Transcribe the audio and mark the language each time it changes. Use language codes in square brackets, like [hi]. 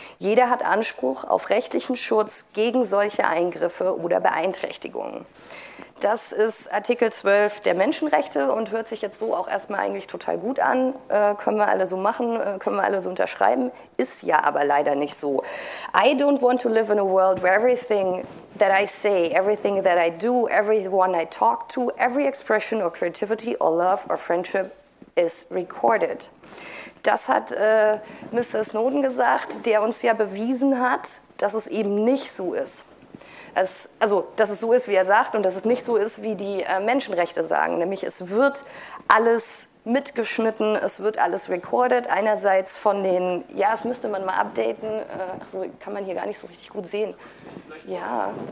[de] Jeder hat Anspruch auf rechtlichen Schutz gegen solche Eingriffe oder Beeinträchtigungen. Das ist Artikel 12 der Menschenrechte und hört sich jetzt so auch erstmal eigentlich total gut an. Können wir alle so machen, können wir alle so unterschreiben. Ist ja aber leider nicht so. [en] I don't want to live in a world where everything that I say, everything that I do, everyone I talk to, every expression or creativity or love or friendship is recorded. [de] Das hat Mr. Snowden gesagt, der uns ja bewiesen hat, dass es eben nicht so ist. Also, dass es so ist, wie er sagt, und dass es nicht so ist, wie die Menschenrechte sagen. Nämlich, es wird alles mitgeschnitten, es wird alles recorded. Einerseits von den, ja, das müsste man mal updaten. Achso, kann man hier gar nicht so richtig gut sehen. Ja.